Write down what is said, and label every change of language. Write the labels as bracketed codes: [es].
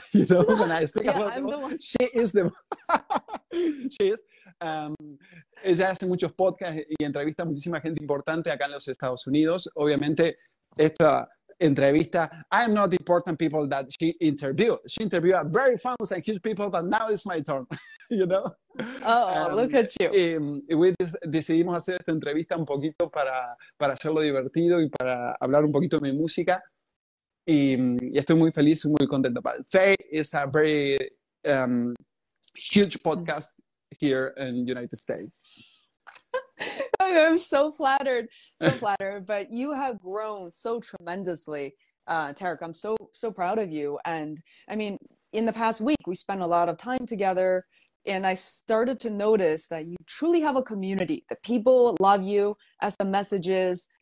[en] You know, when I speak about the boss, she is the boss. She is. [es] Ella hace muchos podcasts y entrevista a muchísima gente importante acá en los Estados Unidos. Obviamente, esta entrevista, [en] I am not the important people that she interviewed. She interviewed a very famous and huge people, but now it's my turn, you know? Oh, look at you. [es] Y decidimos hacer esta entrevista un poquito para hacerlo divertido y para hablar un poquito de mi música. Y estoy muy feliz y muy contento. [en] But Faye is a very huge podcast here in the United States. I'm so flattered, but you have grown so tremendously, Tarek. I'm so proud of you. And I mean, in the past week, we spent a lot of time together and I started to notice that you truly have a community, the people love you as the messages.